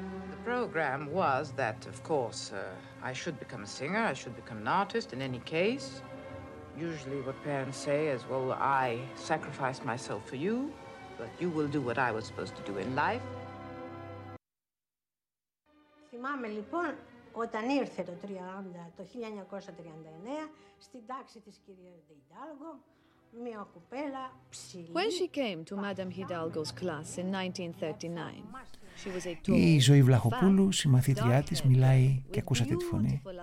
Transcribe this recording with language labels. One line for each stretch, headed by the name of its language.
English: The program was that, of course, I should become a singer, I should become an artist in any case. Usually what parents say is, well, I sacrificed myself for you, but you will do what I was supposed to do in life.
Greek: Θυμάμαι, λοιπόν. Όταν ήρθε το 1939 στην τάξη της κυρίας Hidalgo, μια κουπέλα ψηλή.
English: When she came to Madame Hidalgo's class in 1939, she was a tall.
Greek: Η Ζωή Βλαχοπούλου, συμμαθήτριά της, μιλάει και ακούσατε τη φωνή.